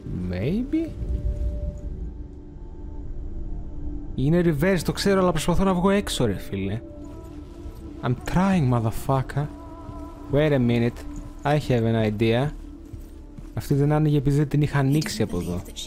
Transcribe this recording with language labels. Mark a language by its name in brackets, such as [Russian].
[English] Maybe. [Greek] Είναι reverse, το ξέρω, αλλά προσπαθώ να βγω έξω ρε φίλε. [English] I'm trying, motherfucker. Wait a minute. I have an idea. [Greek] Αυτή δεν άνοιγε επειδή δεν την είχα ανοίξει από εδώ.